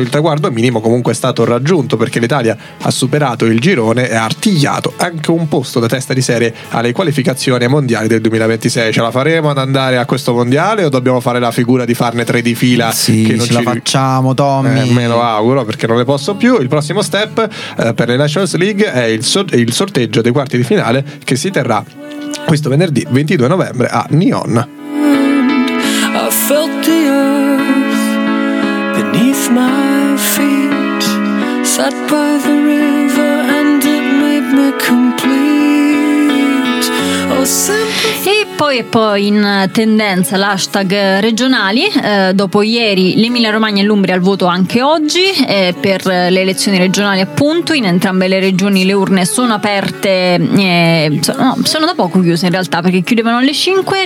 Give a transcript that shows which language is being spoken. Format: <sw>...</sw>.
<it>Il traguardo minimo comunque è stato raggiunto, perché l'Italia ha superato il girone e ha artigliato anche un posto da testa di serie alle qualificazioni mondiali del 2026. Ce la faremo ad andare a questo mondiale o dobbiamo fare la figura di farne tre di fila? Sì, che non ce la facciamo, Tommy. Me lo auguro, perché non ne posso più. Il prossimo step per le Nations League è il sorteggio dei quarti di finale, che si terrà questo venerdì 22 novembre a Nyon.</it> <en>I felt the earth beneath my feet, sat by the river and it made me complete. Oh,</en> <it>E poi in tendenza l'hashtag regionali, dopo ieri l'Emilia Romagna e l'Umbria al voto anche oggi, per le elezioni regionali appunto. In entrambe le regioni le urne sono aperte, sono da poco chiuse in realtà, perché chiudevano alle 5.</it>